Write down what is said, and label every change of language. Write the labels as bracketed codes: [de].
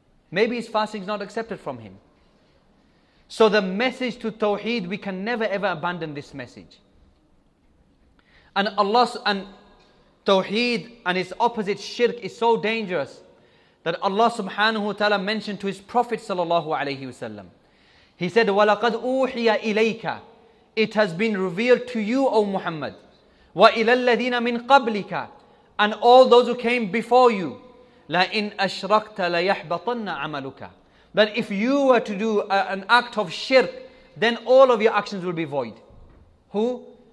[en] Maybe his fasting is not accepted from him. So the message to tawheed, we can never ever abandon this message. And Allah and tawheed and its opposite shirk is so dangerous that Allah subhanahu wa ta'ala mentioned to his Prophet sallallahu alayhi wasallam. He said, [ar] وَلَقَدْ أُوحِيَ إِلَيْكَ. [en] It has been revealed to you, O Muhammad. [ar] وَإِلَى الَّذِينَ مِنْ قَبْلِكَ. [en] And all those who came before you. [ar] لَإِنْ أَشْرَكْتَ لَيَحْبَطَنَّ عَمَلُكَ. [en] That if you were to do an act of shirk, then all of your actions will be void. Who?